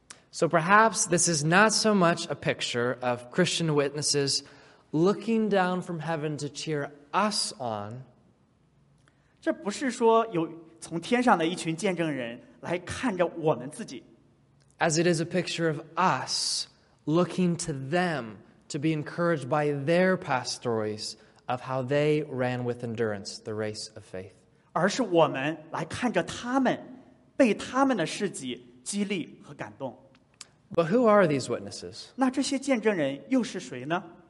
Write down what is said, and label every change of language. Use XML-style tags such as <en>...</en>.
<en>So perhaps this is not so much a picture of Christian witnesses looking down from heaven to cheer us on.</en> <zh>这不是说有从天上的一群见证人来看着我们自己。</zh> <en>As it is a picture of us looking to them to be encouraged by their past stories of how they ran with endurance the race of faith.</en> <zh>而是我们来看着他们被他们的事迹激励和感动。</zh> <en>But who are these witnesses?</en> <zh>那这些见证人又是谁呢?</zh>